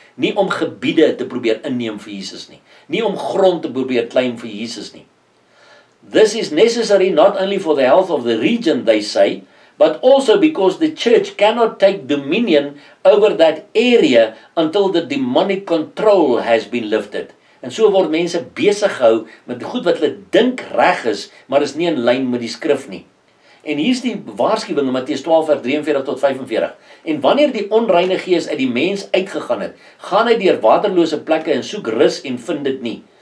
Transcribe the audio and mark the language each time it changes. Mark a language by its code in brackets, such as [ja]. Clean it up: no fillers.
[af] Nie om gebiede te probeer inneem vir Jesus nie. Nie om grond te probeer claim vir Jesus nie. [en] This is necessary not only for the health of the region, they say, but also because the church cannot take dominion over that area until the demonic control has been lifted. [af] En so word mense besig gehou met goed wat hulle dink reg is, maar is nie in lyn met die skrif nie. En hier is die waarskuwing in Matteus 12 vers 43 tot 45. En wanneer die onreine gees uit die mens uitgegaan het, gaan hy deur waterlose plekke en soek rus en vind dit nie.